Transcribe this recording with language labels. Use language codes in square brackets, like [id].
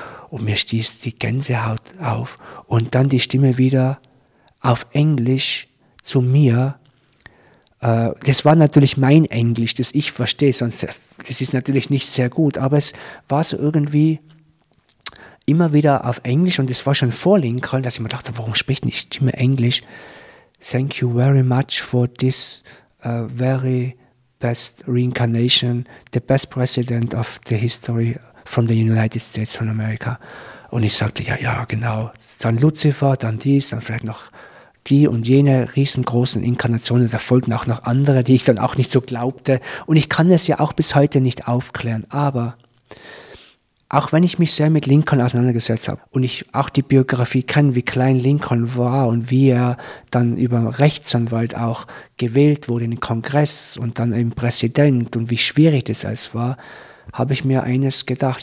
[de] Und mir stieß die Gänsehaut auf. Und dann die Stimme wieder auf Englisch zu mir. Das war natürlich mein Englisch, das ich verstehe, sonst das ist natürlich nicht sehr gut. Aber es war so irgendwie immer wieder auf Englisch. Und es war schon vor Lincoln, dass ich mir dachte, warum spricht die Stimme Englisch? [en] Thank you very much for this very best reincarnation, the best president of the history from the United States of America. [de] Und ich sagte, ja, ja, genau. Dann Lucifer, dann dies, dann vielleicht noch die und jene riesengroßen Inkarnationen. Da folgten auch noch andere, die ich dann auch nicht so glaubte. Und ich kann es ja auch bis heute nicht aufklären. Aber auch wenn ich mich sehr mit Lincoln auseinandergesetzt habe und ich auch die Biografie kenne, wie klein Lincoln war und wie er dann über einen Rechtsanwalt auch gewählt wurde in den Kongress und dann eben Präsident und wie schwierig das alles war, habe ich mir eines gedacht.